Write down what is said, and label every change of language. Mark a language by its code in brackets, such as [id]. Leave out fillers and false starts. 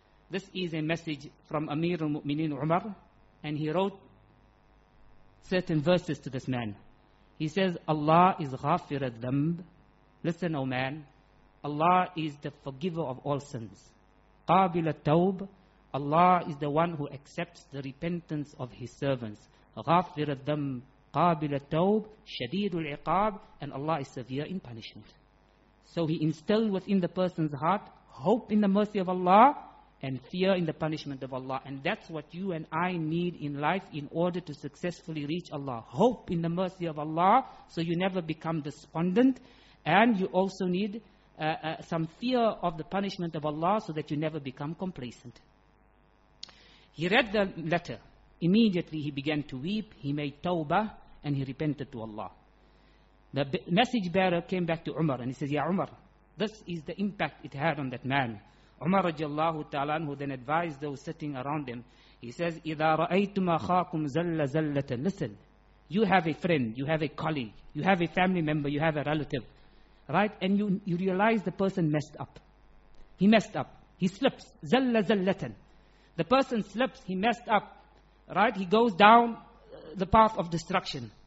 [en] This is a message from Amir al-Mu'mineen Umar. And he wrote certain verses to this man. He says, Allah is [ar] ghafir al-dhamb. [en] Listen, O man, Allah is the forgiver of all sins. [ar] Qabil al-tawb. [en] Allah is the one who accepts the repentance of his servants. [ar] غافر الذنب قابل التوب شديد العقاب. [en] And Allah is severe in punishment. So he instilled within the person's heart hope in the mercy of Allah and fear in the punishment of Allah. And that's what you and I need in life in order to successfully reach Allah. Hope in the mercy of Allah so you never become despondent. And you also need some fear of the punishment of Allah so that you never become complacent. He read the letter. Immediately he began to weep. He made tawbah and he repented to Allah. The message bearer came back to Umar and he says, [ar] Ya Umar, [en] this is the impact it had on that man. Umar radiallahu ta'ala, who then advised those sitting around him. He says, [ar] إِذَا رَأَيْتُمْ أَخَاكُمْ زَلَّ زَلَّةً. [en] Listen, you have a friend, you have a colleague, you have a family member, you have a relative. Right? And you realize the person messed up. He messed up. He slips. [ar] زَلَّ زَلَّةً. [en] The person slips, he messed up, right? He goes down the path of destruction.